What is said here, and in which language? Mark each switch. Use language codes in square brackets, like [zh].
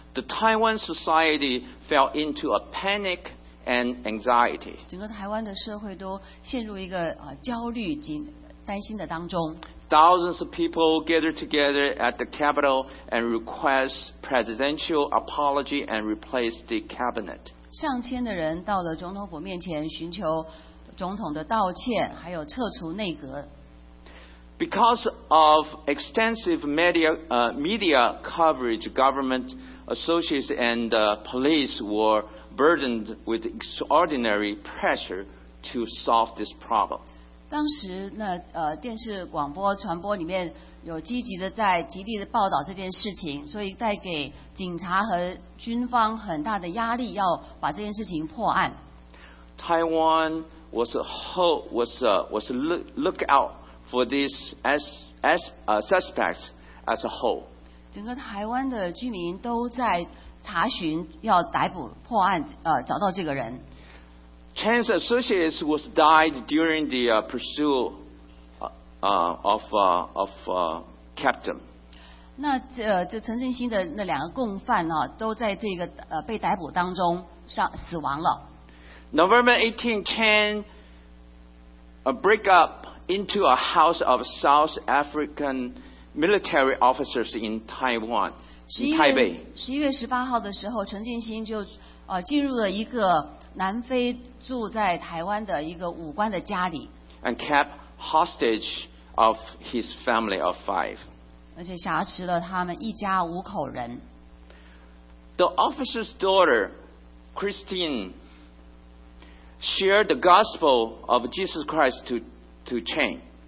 [en] The Taiwan society fell into a panic and anxiety. [zh] 整个台湾的社会都陷入一个焦虑、担心的当中。 [en] Thousands of people gathered together at the Capitol and request presidential apology and replace the cabinet. [zh] 上千的人到了总统府面前寻求总统的道歉，还有撤除内阁。 [en] Because of extensive media coverage, government associates and police were burdened with extraordinary pressure to solve this problem. [zh] 当时那电视广播传播里面有积极的在极力的报道这件事情，所以带给警察和军方很大的压力，要把这件事情破案。 [en] Taiwan was look out for this suspects as a whole. [zh] 整个台湾的居民都在查询，要逮捕破案，找到这个人。 [en] Chen's associates was died during the pursuit of captain. [zh] 那就陈振兴的那两个共犯呢，都在这个被逮捕当中死亡了。 [en] November 18, Chen break up into a house of South African military officers in Taiwan, in Taipei. [zh] 11月18号的时候，陈振兴就进入了一个南非住在台湾的一个武官的家里 [en] ，and kept hostage of his family of five， [zh] 而且挟持了他们一家五口人。 [en] The officer's daughter, Christine, share the gospel of Jesus Christ to Chang.